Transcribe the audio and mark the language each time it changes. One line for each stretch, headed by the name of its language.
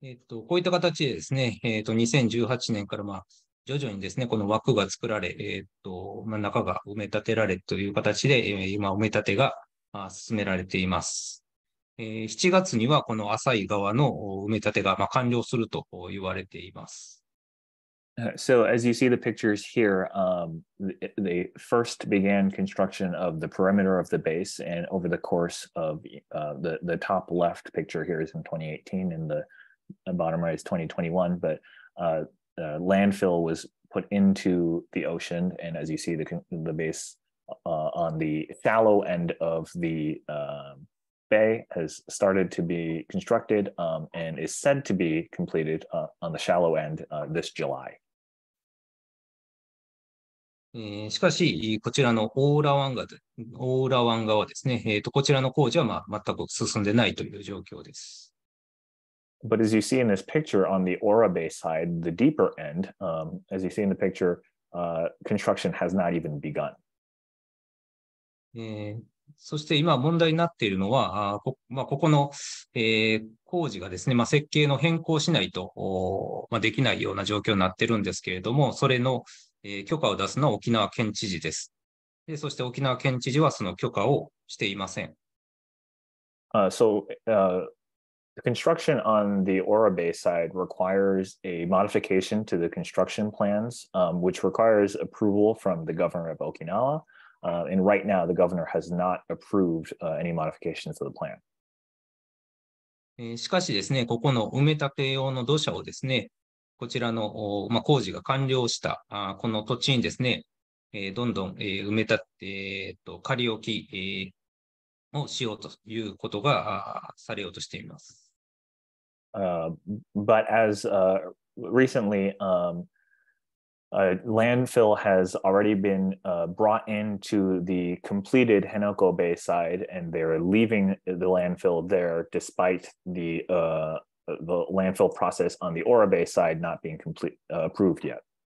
Japanese: こういった形でですね、2018年から、まあ、徐々にですね、この枠が作られ、まあ、中が埋め立てられという形で、今埋め立てが、まあ、進められています。 7月にはこの浅い側の埋め立てが、まあ、完了すると言われています。
English: So as you see the pictures here, they first began construction of the perimeter of the base, and over the course of the top left picture here is in 2018, and the bottom right is 2021, but landfill was put into the ocean, and as you see the base on the shallow end of the bay has started to be constructed and is said to be completed on the shallow end this July.
Japanese: しかし、こちらのオーラワン側ですね、こちらの工事は、まあ、全く進んでないという状況です。
English: But as you see in this picture on the Aura Bay side, the deeper end, as you see in the picture, construction has not even begun.
Japanese: そして今問題になっているのは、まあ、ここの、工事がですね、まあ、設計の変更しないと、まあ、できないような状況になっているんですけれども、それの、許可を出すのは沖縄県知事です。で、そして沖縄県知事はその許可をしていません。
English: The construction on the Aura Bay side requires a modification to the construction plans, which requires approval from the governor of Okinawa. And right now, the governor has not approved any modifications to the plan.
Japanese: しかしですね、ここの埋め立て用の土砂をですね、こちらの、まあ、工事が完了した、この土地にですね、どんどん、埋め立て、仮置き、をしようということが、されようとしています。
English: But as recently, landfill has already been brought into the completed Henoko Bay side, and they're leaving the landfill there despite the landfill process on the Aura Bay side not being approved yet.